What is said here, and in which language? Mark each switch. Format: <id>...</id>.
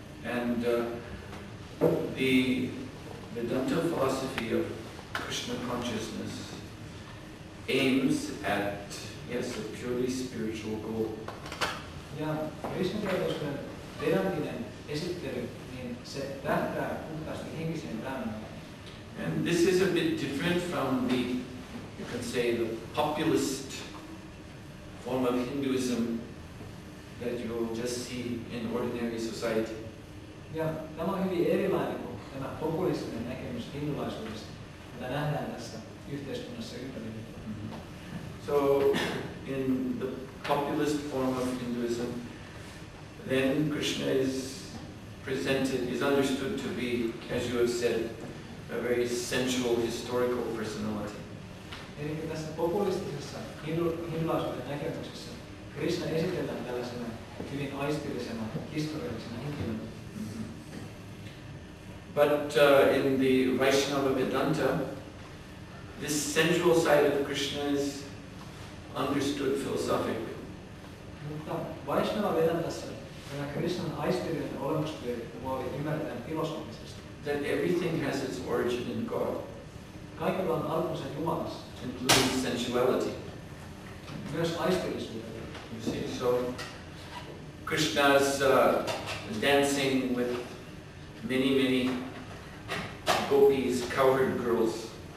<en>And the Vedanta philosophy of Krishna consciousness aims at, yes, a purely spiritual goal.</en> <fi>Ja Krishna-tietoisuuden vedantinen esittely, niin se tähtää puhtaasti henkiseen elämään.</fi> <en>And this is a bit different from the, you can say, the populist form of Hinduism that you will just see in ordinary society.</en> <fi>Ja tämä on hyvin erilainen kuin tämä populistinen näkemys hindulaisuudesta, mitä nähdään tässä yhteiskunnassa ympärillä.</fi> <en>So, in the populist form of Hinduism, then Krishna is presented, is understood to be, as you have said, a very sensual historical personality.</en> <fi>Eli tässä populistisessa hindulaisuuden näkemyksessä Krishna esitellään tällaisena hyvin aistillisena historiallisena henkilönä.</fi> <en>But in the Vaishnava Vedanta, this sensual side of Krishna is understood philosophically.</en> <fi>Mutta Vaishnava Vedantassa tämä Krishnan aistillinen olemuspiiri ymmärretään filosofisesti.</fi> <en>That everything has its origin in God.</en> <fi>Kaikella on alkunsa Jumalassa.</fi> <en>Including sensuality.</en> <fi>Myös aistillisuudella.</fi> <en>You see, so Krishna's dancing with many, many gopis, cowherd girls.</en>